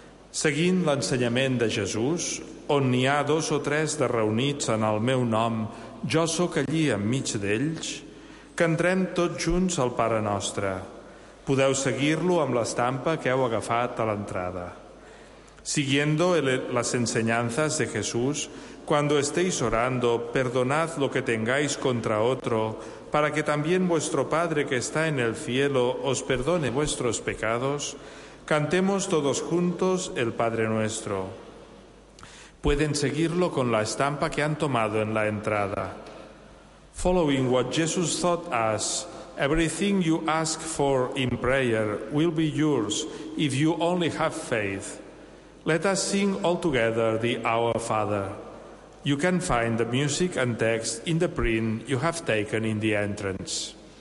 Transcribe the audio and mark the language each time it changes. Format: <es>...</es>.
<ca>Seguint l'ensenyament de Jesús, on n'hi ha dos o tres de reunits en el meu nom, jo sóc allí enmig d'ells, cantrem tots junts al Pare Nostre. Podeu seguir-lo amb l'estampa que heu agafat a l'entrada.</ca> <es>Siguiendo las enseñanzas de Jesús, cuando estéis orando, perdonad lo que tengáis contra otro, para que también vuestro Padre que está en el cielo os perdone vuestros pecados, cantemos todos juntos el Padre Nuestro. Pueden seguirlo con la estampa que han tomado en la entrada.</es> <en>Following what Jesus taught us, everything you ask for in prayer will be yours if you only have faith. Let us sing all together the Our Father. You can find the music and text in the print you have taken in the entrance.</en>